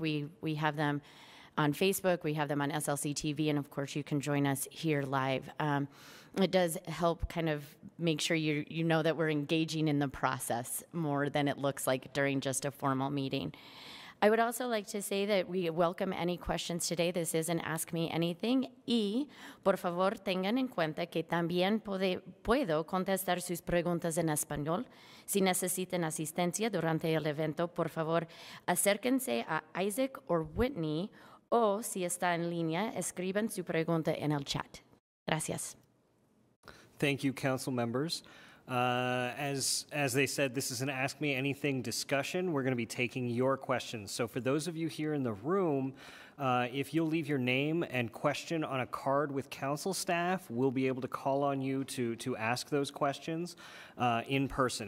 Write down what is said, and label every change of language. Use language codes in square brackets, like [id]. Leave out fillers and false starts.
[en] We have them on Facebook, we have them on SLC TV, and of course you can join us here live. It does help kind of make sure you know that we're engaging in the process more than it looks like during just a formal meeting. I would also like to say that we welcome any questions today. This is an Ask Me Anything. [es] Y, por favor, tengan en cuenta que también puedo contestar sus preguntas en español. Si necesitan asistencia durante el evento, por favor, acérquense a Isaac or Whitney. O si está en línea, escriban su pregunta en el chat. Gracias. [en] Thank you, council members. As they said, this is an Ask Me Anything discussion. We're going to be taking your questions. So for those of you here in the room, if you'll leave your name and question on a card with council staff, we'll be able to call on you to ask those questions in person.